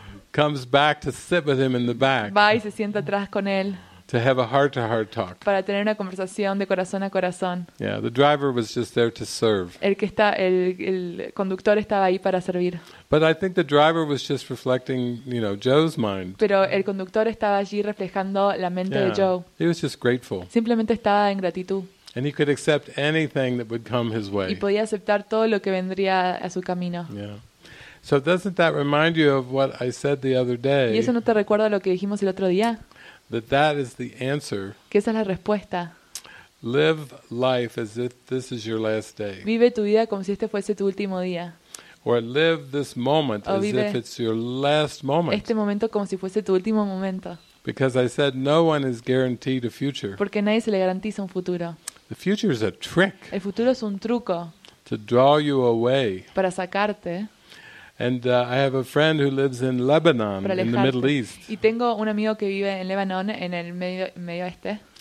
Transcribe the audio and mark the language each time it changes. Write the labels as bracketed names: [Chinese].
[English] Comes back to sit with him in the back. [Spanish] Va y se sienta atrás con él. [English] To have a heart-to-heart talk. [Spanish] Para tener una conversación de corazón a corazón. [English] Yeah, the driver was just there to serve. [Spanish] El conductor estaba ahí para servir. [English] But I think the driver was just reflecting, you know, Joe's mind. [Spanish] Pero el conductor estaba allí reflejando la mente [English] yeah. [Spanish] de Joe. [English] He was just grateful. [Spanish] Simplemente estaba en gratitud. [English] And he could accept anything that would come his way. [Spanish] Y podía aceptar todo lo que vendría a su camino. [English] Yeah. So doesn't that remind you of what I said the other day? [Spanish] ¿Y eso no te recuerda lo que dijimos el otro día? [English] That is the answer. [Spanish] ¿Qué esa es la respuesta? [English] Live life as if this is your last day. [Spanish] Vive tu vida como si este fuese tu último día. [English] Or live this moment [Spanish] o [English] as if it's your last moment. [Spanish] Este momento como si fuese tu último momento. [English] Because I said no one is guaranteed a future. [Spanish] Porque nadie se le garantiza un futuro. [English] The future is a trick. [Spanish] El futuro es un truco. [English] To draw you away. [Spanish] Para sacarte. [English] And I have a friend who lives in Lebanon, in the Middle East. [Spanish] Y tengo un amigo que vive en Lebanon, en el medio este.